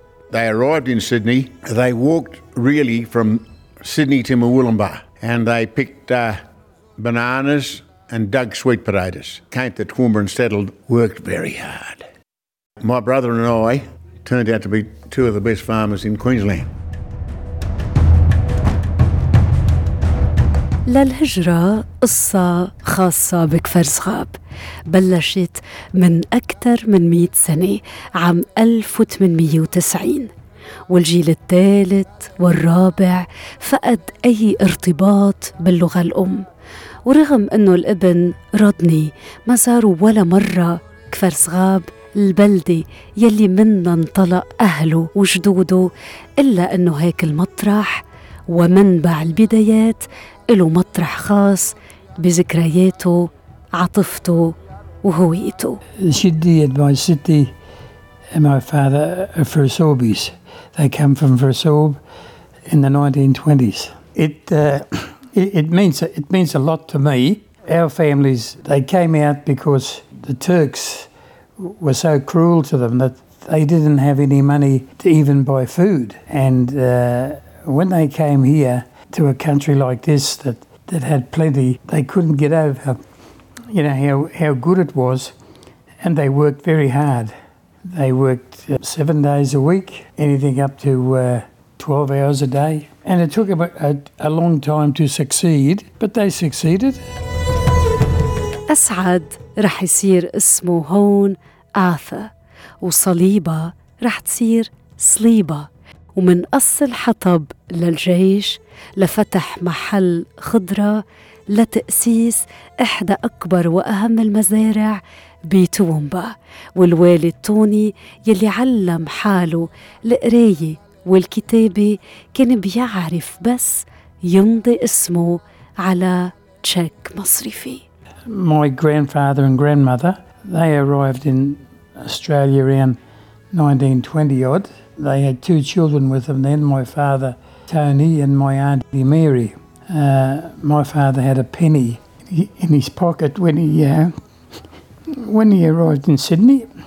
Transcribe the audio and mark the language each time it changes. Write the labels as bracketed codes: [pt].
[en] They arrived in Sydney. They walked really from Sydney to Moolumbah, and they picked bananas and dug sweet potatoes. Came to Toowoomba and settled, worked very hard. My brother and I turned out to be two of the best farmers in Queensland. [ar] للهجرة قصة خاصة بكفر زغاب، بلشت من أكثر من 100 سنة عام 1890، والجيل الثالث والرابع فقد أي ارتباط باللغة الأم. ورغم أنه الابن رودني ما زاروا ولا مرة كفر زغاب البلدة يلي منا انطلق أهله وجدوده، إلا أنه هيك المطرح ومنبع البدايات له مطرح خاص بذكرياته، عطفته وهويته. [en] Sydney and my city and my father are Furusobis. They come from Furusob in the 1920s. It means a lot to me. Our families, they came out because the Turks were so cruel to them that they didn't have any money to even buy food. And when they came here to a country like this that had plenty, they couldn't get over, you know, how good it was, and they worked very hard. They worked 7 days a week, anything up to 12 hours a day, and it took them a long time to succeed, but they succeeded. [ar] أسعد رح يصير اسمه هون آثر، وصليبة رح تصير صليبة. ومن قص الحطب للجيش لفتح محل خضرة لتأسيس إحدى أكبر وأهم المزارع بتوومبا. والوالد توني يلي علم حاله القراية والكتابة كان بيعرف بس يمضي اسمه على تشيك مصرفي. [en] My grandfather and grandmother, they arrived in Australia around 1920 odd. They had two children with them then, my father Tony and my auntie Mary. My father had a penny in his pocket when he arrived in Sydney.